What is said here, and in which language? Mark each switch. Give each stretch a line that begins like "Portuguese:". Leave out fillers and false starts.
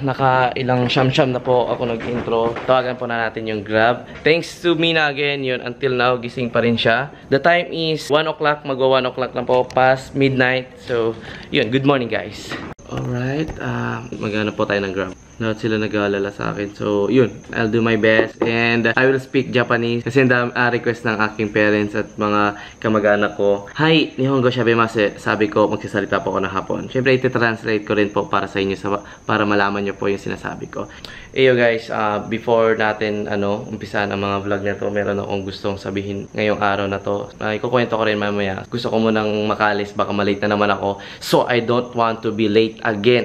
Filipino: Nakailang siyam-siyam na po ako nag-intro. Tawagan po na natin yung Grab.
English: Thanks to Mina again,
Filipino: yun, until now, gising pa rin siya.
English: The time is 1 o'clock, magwa-1 o'clock na po, past midnight. So, yun, good morning guys. Alright,
Filipino: magana po tayo ng Grab. Not sila nag-aalala sa akin. So, yun,
English: I'll do my best. And I will speak Japanese.
Filipino: Kasi request ng aking parents at mga kamag-anak ko. Hi,
Japanese: Nihongo Shabemase.
Filipino: Sabi ko, magsasalita po ako ng Hapon. Siyempre, iti-translate ko rin po para sa inyo, para malaman nyo po yung sinasabi ko. Eyo guys, before natin umpisaan ang mga vlog na to, meron akong gustong sabihin ngayong araw na to. Ikukwento ko rin mamaya. Gusto ko munang makalis, baka malate na naman ako.
English: So, I don't want to be late again.